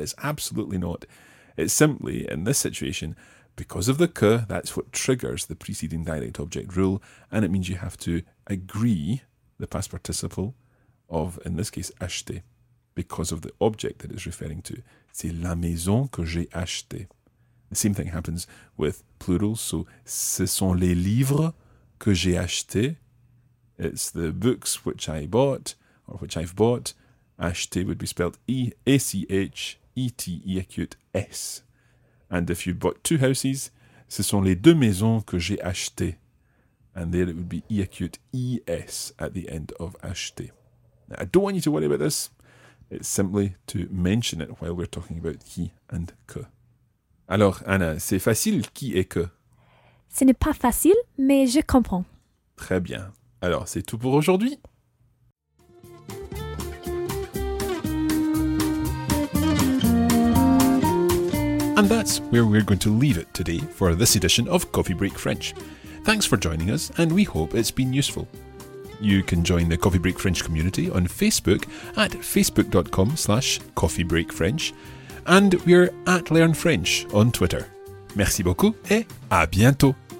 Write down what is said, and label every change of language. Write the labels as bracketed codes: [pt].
[en] It's absolutely not. It's simply, in this situation, because of the que, that's what triggers the preceding direct object rule. And it means you have to agree, the past participle of, in this case, acheter, because of the object that it's referring to. [fr] C'est la maison que j'ai acheté. [en] The same thing happens with plurals. [fr] So, ce sont les livres que j'ai acheté. [en] It's the books which I bought, or which I've bought. Acheté would be spelled E-A-C-H-E-T-E acute S. And if you bought two houses, [fr] ce sont les deux maisons que j'ai acheté. [en] And there it would be E acute E-S at the end of acheté. Now, I don't want you to worry about this. It's simply to mention it while we're talking about qui and que. [fr] Alors, Anna, c'est facile, qui et que? Ce n'est pas facile, mais je comprends. Très bien. Alors, c'est tout pour aujourd'hui. [en] And that's where we're going to leave it today for this edition of Coffee Break French. Thanks for joining us, and we hope it's been useful. You can join the Coffee Break French community on Facebook at facebook.com/coffeebreakfrench, and we're at Learn French on Twitter. [fr] Merci beaucoup et à bientôt.